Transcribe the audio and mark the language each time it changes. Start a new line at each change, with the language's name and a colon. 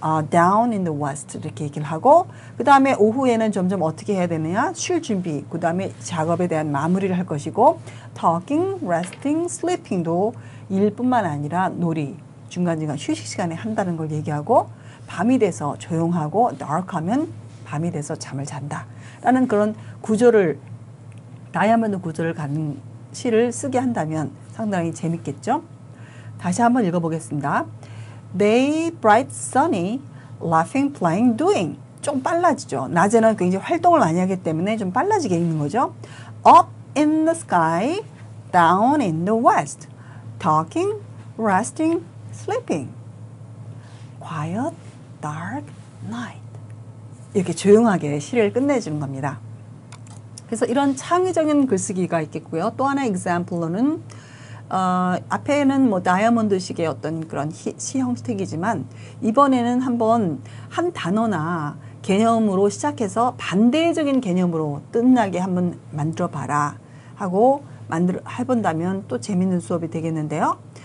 English: down in the west
Korean: 이렇게 얘기를 하고 그 다음에 오후에는 점점 어떻게 해야 되느냐 쉴 준비, 그 다음에 작업에 대한 마무리를 할 것이고
English: talking, resting, sleeping
Korean: 도 일뿐만 아니라 놀이, 중간중간 휴식 시간에 한다는 걸 얘기하고 밤이 돼서 조용하고 dark하면 밤이 돼서 잠을 잔다 라는 그런 구조를 다이아몬드 구조를 갖는 시를 쓰게 한다면 상당히 재밌겠죠? 다시 한번 읽어보겠습니다.
English: Day bright sunny, laughing, playing, doing.
Korean: 좀 빨라지죠. 낮에는 굉장히 활동을 많이 하기 때문에 좀 빨라지게 읽는 거죠.
English: Up in the sky, down in the west, talking, resting, sleeping. Quiet, dark night.
Korean: 이렇게 조용하게 시를 끝내주는 겁니다. 그래서 이런 창의적인 글쓰기가 있겠고요. 또 하나 example로는 앞에는 뭐 다이아몬드식의 어떤 그런 시 형태이지만 이번에는 한번 한 단어나 개념으로 시작해서 반대적인 개념으로 뜬나게 한번 만들어봐라 하고 해본다면 또 재밌는 수업이 되겠는데요.